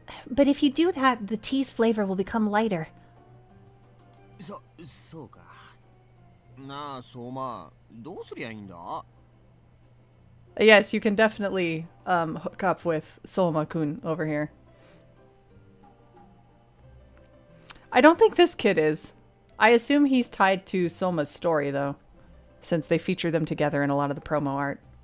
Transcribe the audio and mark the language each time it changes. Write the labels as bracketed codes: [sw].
[en] But if you do that, the tea's flavor will become lighter. [ja] So ka. なあ、ソーマ、どうすりゃいいんだ? [en] Yes, you can definitely, hook up with Soma-kun over here. I don't think this kid is. I assume he's tied to Soma's story, though. since they feature them together in a lot of the promo art.